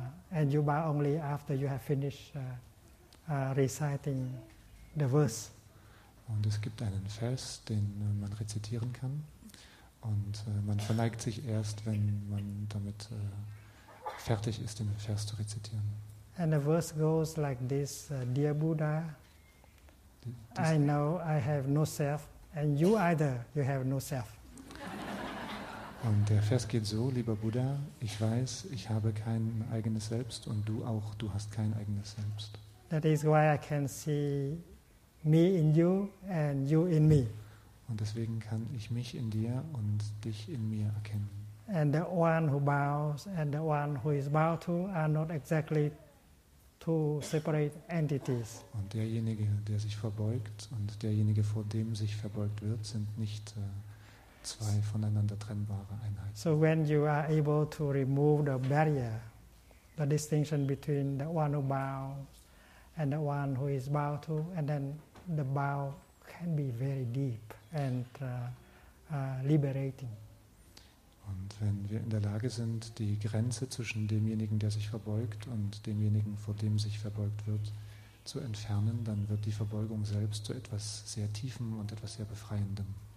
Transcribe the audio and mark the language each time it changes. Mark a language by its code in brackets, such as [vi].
[en] And you bow only after you have finished reciting the verse. [de] Und es gibt einen Vers, den man rezitieren kann. Und man verneigt sich erst, wenn man damit fertig ist, den Vers zu rezitieren. [en] And the verse goes like this, Dear Buddha, I know I have no self, and you either, you have no self. [de] Und der Vers geht so, lieber Buddha, ich weiß, ich habe kein eigenes Selbst, und du auch, du hast kein eigenes Selbst. [en] That is why I can see me in you and you in me. [de] Und deswegen kann ich mich in dir und dich in mir erkennen. [en] And the one who bows and the one who is bowed to are not exactly two separate entities. [de] Und derjenige, der sich verbeugt und derjenige, vor dem sich verbeugt wird, sind nicht zwei voneinander trennbare Einheiten. [en] So when you are able to remove the barrier, the distinction between the one who bows and the one who is bowed to, and then the bow can be very deep and liberating. [de] Und wenn wir in der Lage sind, die Grenze zwischen demjenigen, der sich verbeugt, und demjenigen, vor dem sich verbeugt wird, zu entfernen, dann wird die Verbeugung selbst zu etwas sehr Tiefem und etwas sehr Befreiendem.